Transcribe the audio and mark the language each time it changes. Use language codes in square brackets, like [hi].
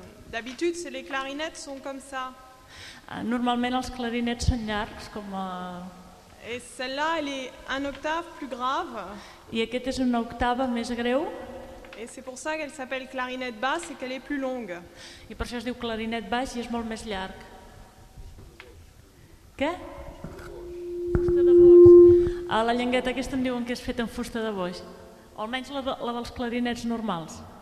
[fr] D'habitude, c'est les clarinettes sont comme ça. [ca] Normalment els clarinets són llargs com a... [fr] Et celle-là, elle est un octave plus grave. [ca] I aquest és una octava més greu. [fr] Et c'est pour ça qu'elle s'appelle clarinette basse et qu'elle est plus longue. [ca] I per això es diu clarinet baix i és molt més llarg. Què? Fusta de boix. A la llengueta aquesta em diuen que és feta amb fusta de boix. O almenys la dels clarinets normals.